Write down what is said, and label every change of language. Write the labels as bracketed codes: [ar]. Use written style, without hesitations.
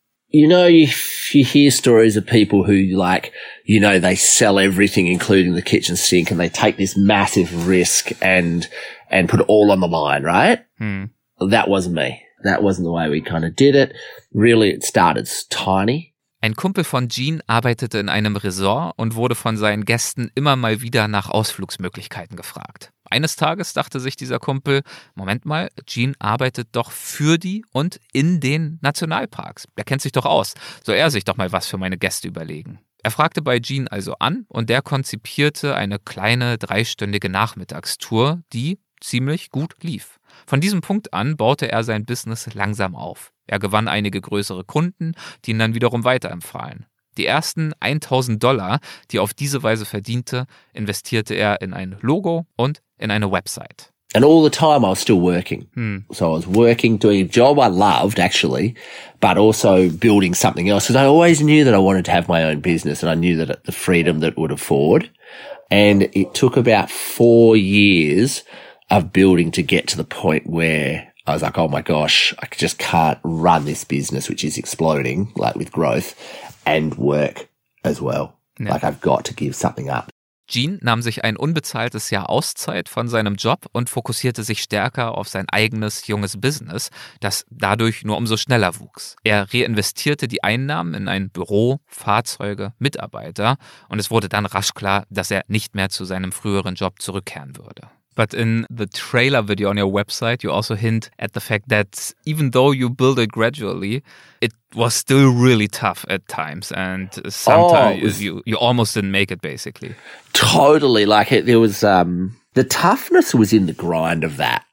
[en] You know, you hear stories of people who, like, you know, they sell everything, including the kitchen sink, and they take this massive risk and put it all on the line, right? Hmm. That wasn't me. That wasn't the way we kind of did it. Really, it started tiny. [de] Ein Kumpel von Gene arbeitete in einem Resort und wurde von seinen Gästen immer mal wieder nach Ausflugsmöglichkeiten gefragt. Eines Tages dachte sich dieser Kumpel, Moment mal, Gene arbeitet doch für die und in den Nationalparks. Der kennt sich doch aus. Soll er sich doch mal was für meine Gäste überlegen. Er fragte bei Gene also an und der konzipierte eine kleine dreistündige Nachmittagstour, die ziemlich gut lief. Von diesem Punkt an baute er sein Business langsam auf. Er gewann einige größere Kunden, die ihn dann wiederum weiterempfahlen. Die ersten $1,000, die er auf diese Weise verdiente, investierte er in ein Logo und in eine Website. [en] And all the time I was still working. Hmm. So I was working, doing a job I loved actually, but also building something else. Because I always knew that I wanted to have my own business and I knew that the freedom that would afford. And it took about 4 years of building to get to the point where I was like, oh my gosh, I just can't run this business, which is exploding, like with growth, and work as well. Yeah. Like I've got to give something up. [de] Gene nahm sich ein unbezahltes Jahr Auszeit von seinem Job und fokussierte sich stärker auf sein eigenes junges Business, das dadurch nur umso schneller wuchs. Er reinvestierte die Einnahmen in ein Büro, Fahrzeuge, Mitarbeiter und es wurde dann rasch klar, dass er nicht mehr zu seinem früheren Job zurückkehren würde. [en] But in the trailer video on your website, you also hint at the fact that even though you build it gradually, it was still really tough at times. And sometimes you almost didn't make it, basically. Totally. Like, there was the toughness was in the grind of that.